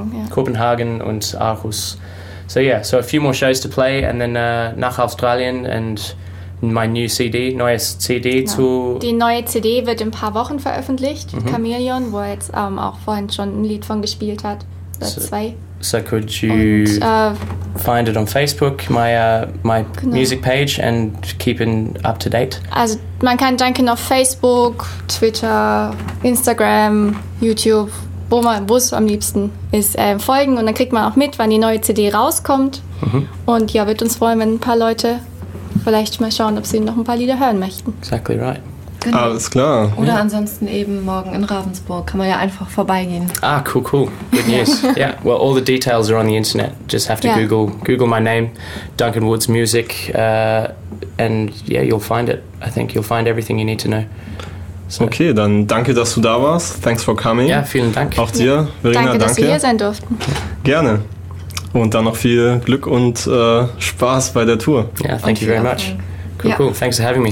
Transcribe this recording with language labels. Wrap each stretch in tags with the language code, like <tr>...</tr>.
<de>Kopenhagen</de> <en>und Aarhus. So yeah, so a few more shows to play, and then</en> <de>nach Australien</de> <en>and my new CD,</en> <de>neues CD zu... Die neue CD wird in ein paar Wochen veröffentlicht, Chameleon, wo er jetzt auch vorhin schon ein Lied von gespielt hat, zwei.</de> <en>So could you find it on Facebook, my music page, and keep in up to date?</en> <de>Also man kann Duncan auf Facebook, Twitter, Instagram, YouTube... wo man im Bus am liebsten ist, folgen. Und dann kriegt man auch mit, wann die neue CD rauskommt. Und ja, wird uns freuen, wenn ein paar Leute vielleicht mal schauen, ob sie noch ein paar Lieder hören möchten.</de> <en>Exactly right.</en> <de>Genau. Alles klar. Oder ansonsten eben morgen in Ravensburg. Kann man ja einfach vorbeigehen.</de> <en>Ah, cool. Good news. Yeah, well, all the details are on the internet. Just have to Google my name, Duncan Woods Music. And yeah, you'll find it. I think you'll find everything you need to know. So.</en> <de>Okay, dann danke, dass du da warst.</de> <en>Thanks for coming.</en> <de>Ja, vielen Dank. Auch dir, Verena, danke. Danke, dass wir hier sein durften. Gerne. Und dann noch viel Glück und Spaß bei der Tour.</de> <en>Ja, yeah, thank you very much. Cool, thanks for having me.</en>